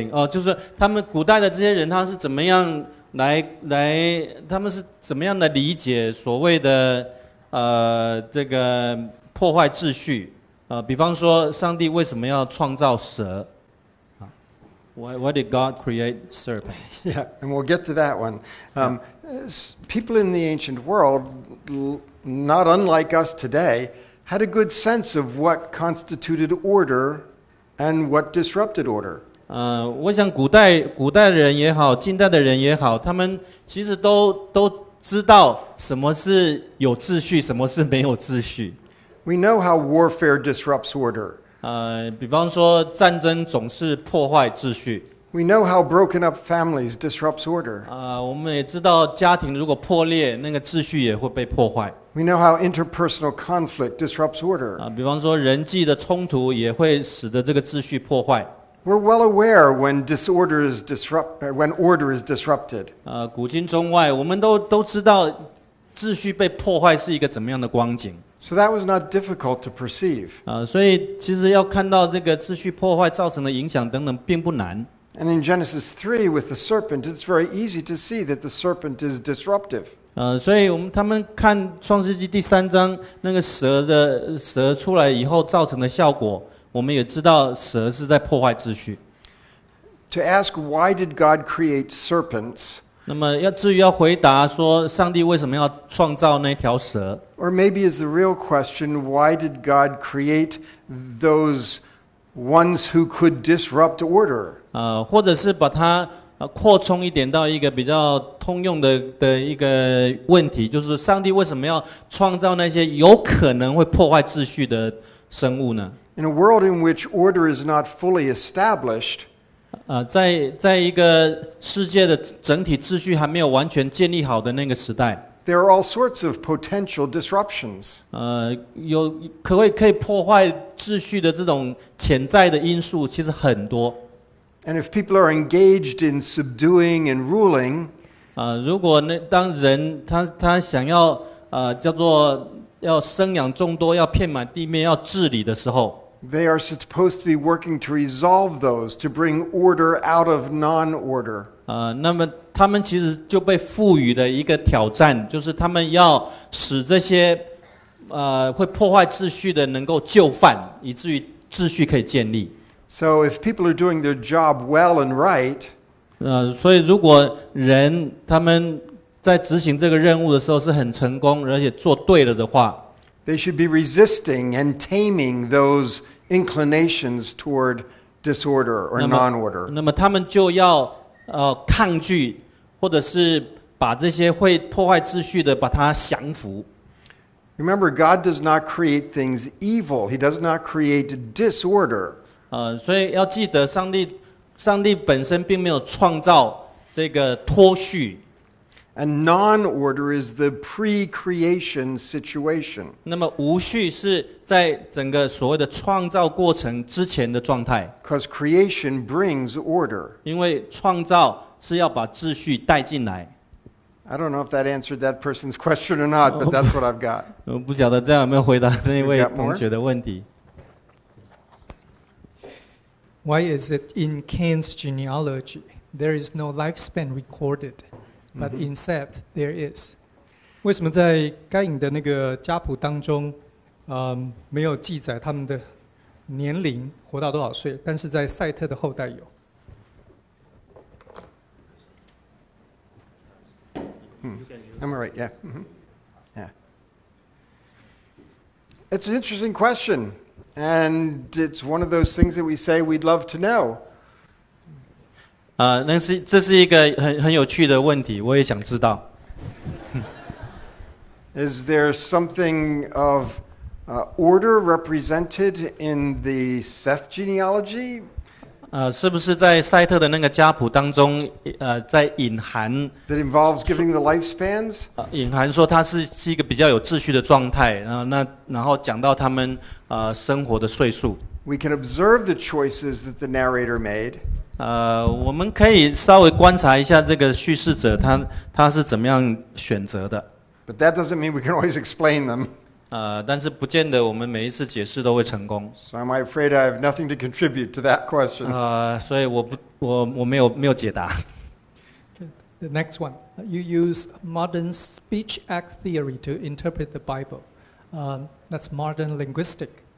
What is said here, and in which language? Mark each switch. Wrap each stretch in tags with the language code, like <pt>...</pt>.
<zh>就是他们古代的这些人，他是怎么样来，他们是怎么样的理解所谓的这个破坏秩序？比方说，上帝为什么要创造蛇？</zh> <en>Why did God create serpent? Yeah, and we'll get to that one. People in the ancient world, not unlike us today, had a good sense of what constituted order and what disrupted order.</en> <zh>我想古代的人也好，近代的人也好，他们其实都知道什么是有秩序，什么是没有秩序。</zh> <en>We know how warfare disrupts order.</en> <zh>比方说战争总是破坏秩序。</zh> <en>We know how broken up families disrupts order.</en> <zh>我们也知道家庭如果破裂，那个秩序也会被破坏。</zh> <en>We know how interpersonal conflict disrupts order.</en> <zh>比方说人际的冲突也会使得这个秩序破坏。</zh> <en>We're well aware when disorder is when order is disrupted.</en> <zh>古今中外，我们都知道秩序被破坏是一个怎么样的光景。</zh> <en>So that was not difficult to perceive.</en> <zh>所以其实要看到这个秩序破坏造成的影响等等，并不难。</zh> <en>And in Genesis 3 with the serpent, it's very easy to see that the serpent is disruptive.</en> <zh>所以他们看创世纪第三章那个蛇出来以后造成的效果，我们也知道蛇是在破坏秩序。</zh> <en>To ask why did God create serpents?</en> <zh>那么至于要回答说上帝为什么要创造那条蛇</zh> <en>？Or maybe is the real question why did God create those ones who could disrupt order?</en> <zh>或者是把它扩充一点到一个比较通用 的一个问题，就是上帝为什么要创造那些有可能会破坏秩序的生物呢</zh> <en>？In a world in which order is not fully established,</en> <zh>在一个世界的整体秩序还没有完全建立好的那个时代</zh> <en>，there are all sorts of potential disruptions.</en> <zh>有可以破坏秩序的这种潜在的因素其实很多。</zh> <en>And if people are engaged in subduing and ruling,</en> <zh>如果那当人他想要叫做要生养众多，要遍满地面，要治理的时候</zh> <en>，they are supposed to be working to resolve those to bring order out of non-order.</en> <zh>那么他们其实就被赋予了一个挑战，就是他们要使这些会破坏秩序的能够就范，以至于秩序可以建立。</zh> <en>So if people are doing their job well and right,</en> <zh>所以如果人他们在执行这个任务的时候是很成功，而且做对了的话</zh> <en>，they should be resisting and taming those inclinations toward disorder or non-order.</en> <zh>那么他们就要抗拒，或者是把这些会破坏秩序的把它降服。</zh> <en>Remember, God does not create things evil. He does not create disorder.</en> <zh>所以要记得上帝本身并没有创造这个脱序。</zh> <en>And non-order is the pre-creation situation.</en> <zh>那么无序是在整个所谓的创造过程之前的状态。</zh> <en>Because creation brings order.</en> <zh>因为创造是要把秩序带进来。</zh> <en>I don't know if that answered that person's question or not, but that's what I've got.</en> <zh>我不晓得这样有没有回答那位同学的问题。</zh> <en>Why is it in Cain's genealogy there is no lifespan recorded, but in Seth there is?</en> <zh>为什么在该隐的那个家谱当中，没有记载他们的年龄活到多少岁，但是在赛特的后代有？</zh> <en>Am I right? Yeah. Mm-hmm. Yeah. It's an interesting question, and it's one of those things that we say we'd love to know.</en> <zh>那是这是一个很有趣的问题，我也想知道。</zh> <en>Is there something of order represented in the Seth genealogy?</en> <zh>是不是在赛特的那个家谱当中，在隐含</zh> <en>that involves giving the lifespans?</en> <zh>隐含说他是一个比较有秩序的状态，然后讲到他们生活的岁数。</zh> <en>We can observe the choices that the narrator made.</en> <zh>我们可以稍微观察一下这个叙事者他是怎么样选择的。</zh> <en>But that doesn't mean we can always explain them.</en> <zh>但是不见得我们每一次解释都会成功。</zh> <en>So I'm afraid I have nothing to contribute to that question.</en> <zh>所以我没有解答。</zh> <en>Okay, the next one. You use modern speech act theory to interpret the Bible. That's modern linguistic.</en>